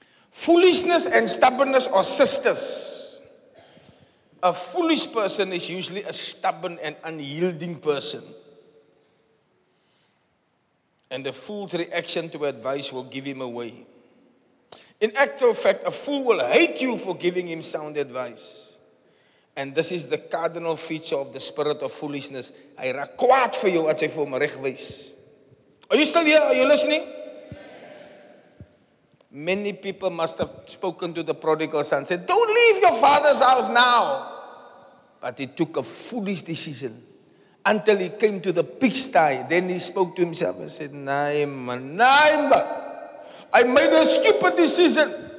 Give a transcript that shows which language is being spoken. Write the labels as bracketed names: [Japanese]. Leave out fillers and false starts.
[English] Foolishness and stubbornness are sisters. A foolish person is usually a stubborn and unyielding person. And a fool's reaction to advice will give him away. In actual fact, a fool will hate you for giving him sound advice. And this is the cardinal feature of the spirit of foolishness. [Afrikaans] Hy raak kwaad vir jou as hy vir hom reg wys. [English] Are you still here? Are you listening? Many people must have spoken to the prodigal son, said, don't leave your father's house now. But he took a foolish decision until he came to the pigsty. Then he spoke to himself and said, nah, man, I made a stupid decision.